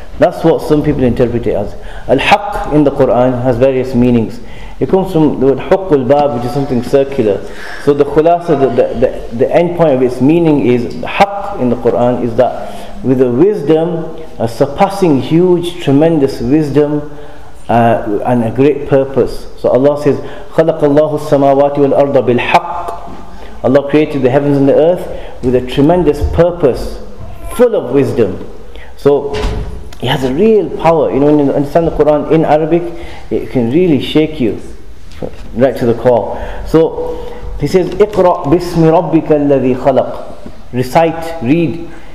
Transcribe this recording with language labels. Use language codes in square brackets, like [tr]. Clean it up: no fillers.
[en] That's what some people interpret it as. Al-Haqq in the Quran has various meanings. It comes from the word Huqqul Bab, which is something circular. So the khulasa, the end point of its meaning is, Haqq in the Quran is that with a wisdom, a surpassing huge, tremendous wisdom, and a great purpose. [ar] So Allah says, خَلَقَ اللَّهُ السَّمَاوَاتِ وَالْأَرْضَ بِالْحَقِّ. [en] Allah created the heavens and the earth with a tremendous purpose, full of wisdom. So it has a real power. You know, when you understand the Quran in Arabic, it can really shake you right to the core. [ar] So he says, اقرأ بِاسْمِ رَبِّكَ الَّذِي خَلَقَ. [en] Recite, read.